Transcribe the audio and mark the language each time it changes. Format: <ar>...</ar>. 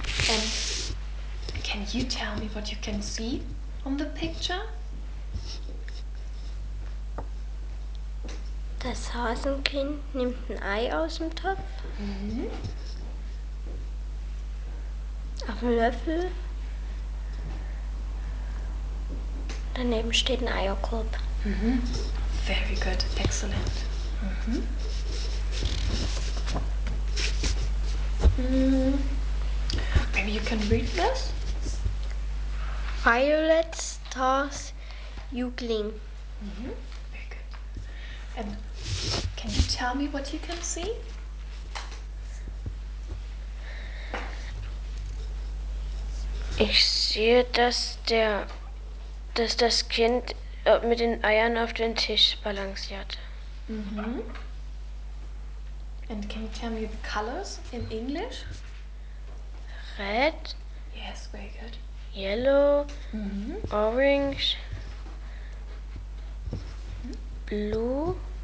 <en>And can you tell me what you can see on the picture?</en> <de>Das Hasenkind nimmt ein Ei aus dem Topf. Mhm. Auf dem Löffel. Daneben steht ein Eierkorb.</de> <en>Mhm. Very good. Excellent. Mhm. Maybe you can read this. Violet starts juggling. Mhm. Very good. And can you tell me what you can see?</en> <de>Ich sehe, dass das Kind mit den Eiern auf den Tisch balanciert. Mhm.</de> <en>And can you tell me the colors in English? Red. Yes, very good. Yellow. Mhm. Orange. Mhm. Blue.</en>